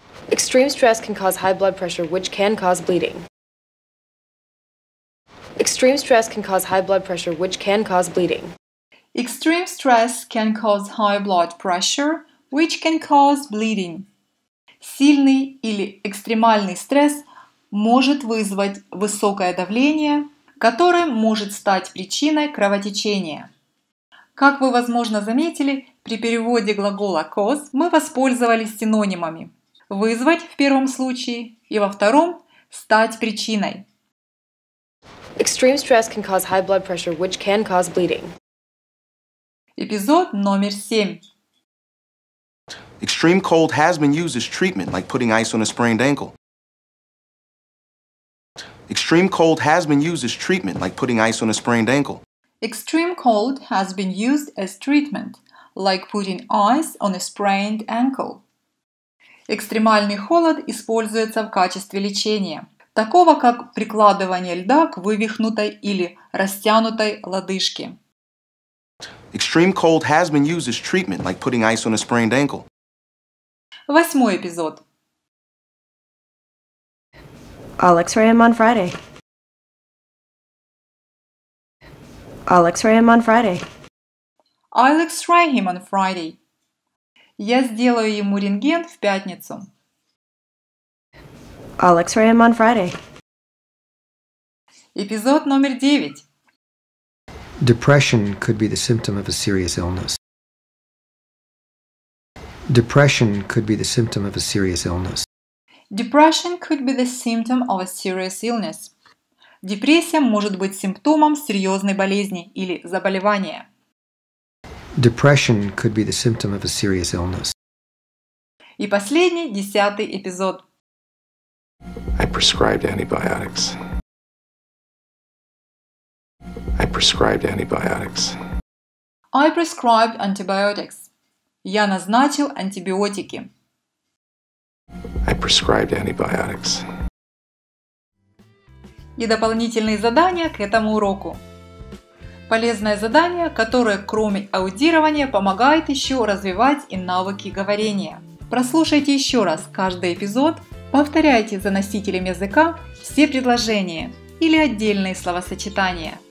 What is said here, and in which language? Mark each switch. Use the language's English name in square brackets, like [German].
[English] Extreme stress can cause high blood pressure, which can cause bleeding. Extreme stress can cause high blood pressure, which can cause bleeding. Extreme stress can cause high blood pressure, which can cause bleeding. [Russian] Сильный или экстремальный стресс может вызвать высокое давление, которое может стать причиной кровотечения. Как вы, возможно, заметили, при переводе глагола cause мы воспользовались синонимами вызвать в первом случае и во втором стать причиной. [English] Extreme stress can cause high blood pressure, which can cause bleeding. [Russian] Эпизод номер семь. [English] Extreme cold has been used as treatment, like putting ice on a sprained ankle. Extreme cold has been used as treatment, like putting ice on a sprained ankle. Extreme cold has been used as treatment, like putting ice on a sprained ankle. [Russian] Экстремальный холод используется в качестве лечения, такого как прикладывание льда к вывихнутой или растянутой лодыжке. [English] Extreme cold has been used as treatment, like putting ice on a sprained ankle. [Russian] Восьмой эпизод. [English] I'll X-ray him on Friday. I'll X-ray him on Friday. I'll X-ray him on Friday. [Russian] Я сделаю ему рентген в пятницу. [English] I'll X-ray him on Friday. [Russian] Эпизод номер девять. [English] Depression could be the symptom of a serious illness. Depression could be the symptom of a serious illness. Depression could be the symptom of a serious illness. [Russian] Депрессия может быть симптомом серьезной болезни или заболевания. [English] Depression could be the symptom of a serious illness. [Russian] И последний, 10-й эпизод. [English] I prescribed antibiotics. I prescribed antibiotics. I prescribed antibiotics. [Russian] Я назначил антибиотики. [English] I prescribed antibiotics. [Russian] И дополнительные задания к этому уроку. Полезное задание, которое кроме аудирования помогает еще развивать и навыки говорения. Прослушайте еще раз каждый эпизод, повторяйте за носителем языка все предложения или отдельные словосочетания.